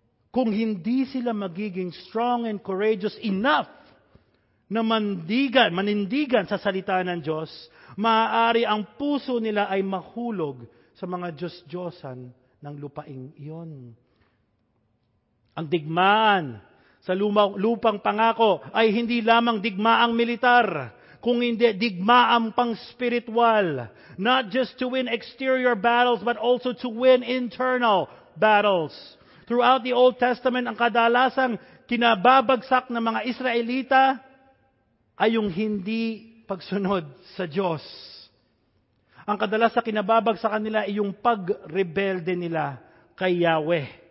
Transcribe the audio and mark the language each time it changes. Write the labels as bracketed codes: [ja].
[tl] Kung hindi sila magiging [en] strong and courageous enough [tl] na manindigan sa salita ng Diyos, maaari ang puso nila ay mahulog sa mga Diyos-Diyosan ng lupaing iyon. Ang digmaan sa lupang pangako ay hindi lamang digmaang militar, kung hindi digmaang pang-spiritual. [en] Not just to win exterior battles, but also to win internal battles. Throughout the Old Testament, [tl] ang kadalasang kinababagsak ng mga Israelita ay yung hindi pagsunod sa Diyos. Ang kadalasang kinababagsak nila ay yung pagrebelde nila kay Yahweh.